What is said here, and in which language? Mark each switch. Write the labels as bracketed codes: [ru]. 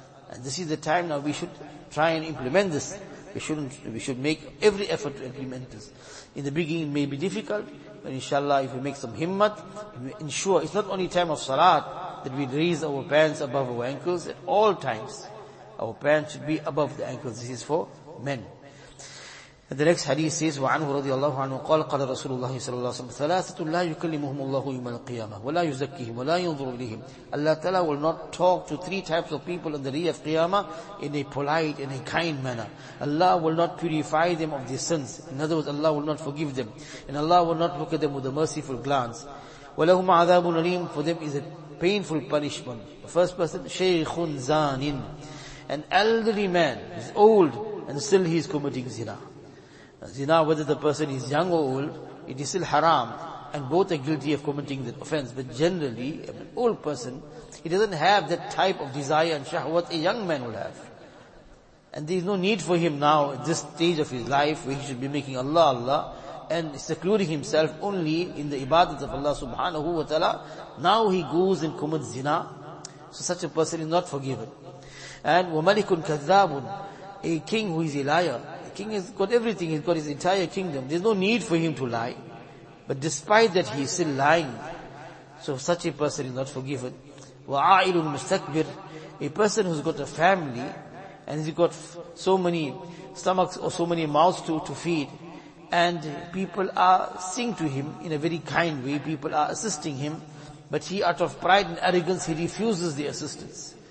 [en] And this is the time now we should try and implement this. We should make every effort to implement this. In the beginning it may be difficult, but inshallah if we make some himmat, we ensure it's not only time of salat that we raise our pants above our ankles. At all times, our pants should be above the ankles. This is for men. And the next hadith says, [ar] وَعَنْهُ رَضِيَ اللَّهُ عَنْهُ قَالَ رَسُولُ اللَّهِ صَلَى اللَّهِ صَلَى اللَّهِ ثَلَاثَةٌ لَا يُكَلِّمُهُمُ اللَّهُ يُمَا الْقِيَامَةِ وَلَا يُزَكِّهِمْ وَلَا يُنظُرُ لِهِمْ. [en] Allah Ta'ala will not talk to three types of people on the day of Qiyamah in a polite, in a kind manner. Allah will not purify them of their sins. In other words, Allah will not forgive them. And Allah will not look at them with a merciful glance. [ar] وَلَهُمْ عَذَابٌ أَلِيمٌ. [en] For them is a painful punishment. The first person, [ar] شَيْخٌ زَانٍ. [en] An elderly man is old and still he is committing zina. Zina, whether the person is young or old, it is still haram, and both are guilty of committing the offense. But generally, an old person, he doesn't have that type of desire and shahwat a young man will have. And there is no need for him now, at this stage of his life, where he should be making Allah Allah, and secluding himself only in the ibadat of Allah subhanahu wa ta'ala. Now he goes and commits zina. So such a person is not forgiven. [ar] And وَمَلِكٌ كَذَّابٌ. [en] A king who is a liar. King has got everything, he's got his entire kingdom. There's no need for him to lie. But despite that, he's still lying. So such a person is not forgiven. [ar] وَعَائِلٌ مُسْتَكْبِرٌ. [en] A person who's got a family, and he's got so many stomachs or so many mouths to feed, and people are sing to him in a very kind way, people are assisting him, but he, out of pride and arrogance, he refuses the assistance.